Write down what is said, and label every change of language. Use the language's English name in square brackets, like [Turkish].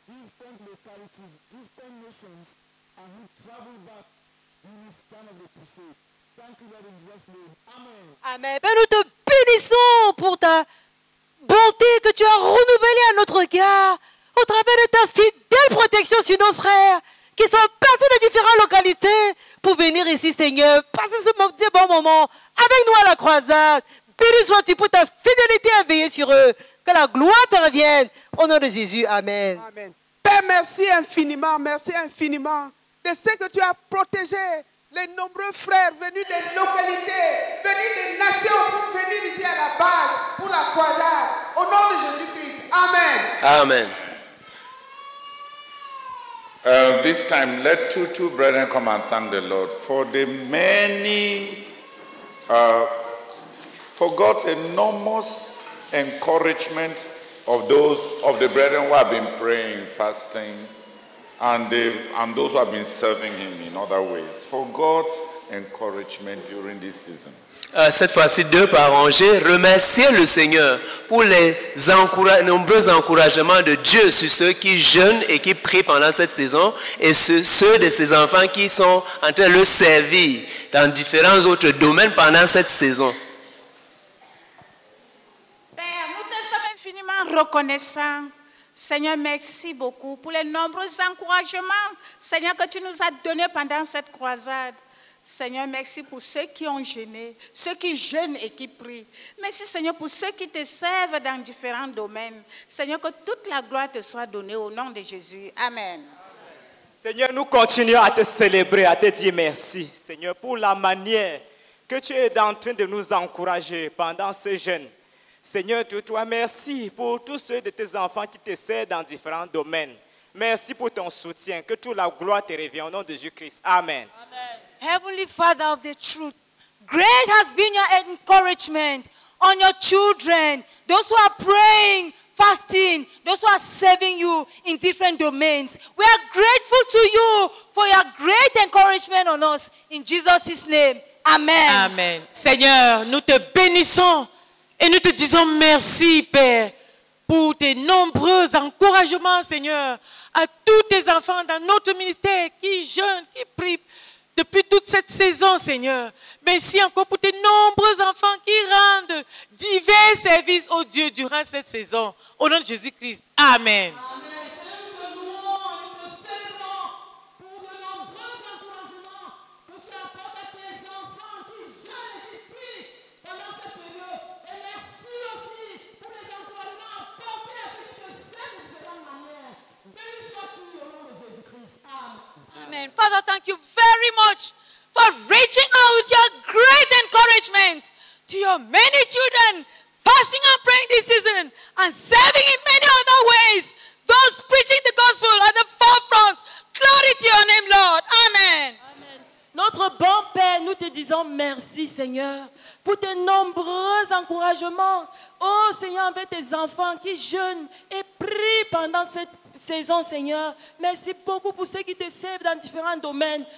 [English] Different nations and who travel back in this time of the crusade. Thank you, Lord, in Jesus' name. Amen. Amen. [French] Ben, nous te bénissons pour ta bonté que tu as renouvelée à notre gars au travers de ta fidèle protection sur nos frères qui sont partis de différentes localités pour venir ici, Seigneur, passer ce bon moment avec nous à la croisade. Béni sois-tu pour ta fidélité à veiller sur eux. Que la gloire te revienne. Au nom de Jésus, amen. Amen. Père, merci infiniment de ce que tu as protégé les nombreux frères venus des localités, venus des nations pour venir ici à la base, pour la croisade. Au nom de Jésus-Christ. Amen. Amen. [English] This time, let two brethren come and thank the Lord for the many, for God's enormous encouragement of those of the brethren who have been praying, fasting, and those who have been serving Him in other ways. For God's encouragement during this season. [French] Cette fois-ci, deux parents, j'ai remercié le Seigneur pour les nombreux encouragements de Dieu sur ceux qui jeûnent et qui prient pendant cette saison et sur ceux de ses enfants qui sont en train de le servir dans différents autres domaines pendant cette saison. Père, nous te sommes infiniment reconnaissants. Seigneur, merci beaucoup pour les nombreux encouragements, Seigneur, que tu nous as donnés pendant cette croisade. Seigneur, merci pour ceux qui ont jeûné, ceux qui jeûnent et qui prient. Merci, Seigneur, pour ceux qui te servent dans différents domaines. Seigneur, que toute la gloire te soit donnée au nom de Jésus. Amen. Seigneur, nous continuons à te célébrer, à te dire merci, Seigneur, pour la manière que tu es en train de nous encourager pendant ce jeûne. Seigneur, tu te merci pour tous ceux de tes enfants qui te servent dans différents domaines. Merci pour ton soutien. Que toute la gloire te revienne au nom de Jésus-Christ. Amen. Amen. [English] Heavenly Father of the truth, great has been your encouragement on your children, those who are praying, fasting, those who are serving you in different domains. We are grateful to you for your great encouragement on us. In Jesus' name, amen. Amen. [French] Seigneur, nous te bénissons et nous te disons merci, Père, pour tes nombreux encouragements, Seigneur, à tous tes enfants dans notre ministère qui jeûnent, qui prient. Depuis toute cette saison, Seigneur, merci encore pour tes nombreux enfants qui rendent divers services au Dieu durant cette saison. Au nom de Jésus-Christ, amen. [English] Father, thank you very much for reaching out with your great encouragement to your many children, fasting and praying this season, and serving in many other ways, those preaching the gospel at the forefront. Glory to your name, Lord. Amen. Amen. [French] Notre bon Père, nous te disons merci, Seigneur, pour tes nombreux encouragements. Oh, Seigneur, avec tes enfants qui jeûnent et prient pendant cette saison, Seigneur. Merci beaucoup pour ceux qui te servent dans différents domaines.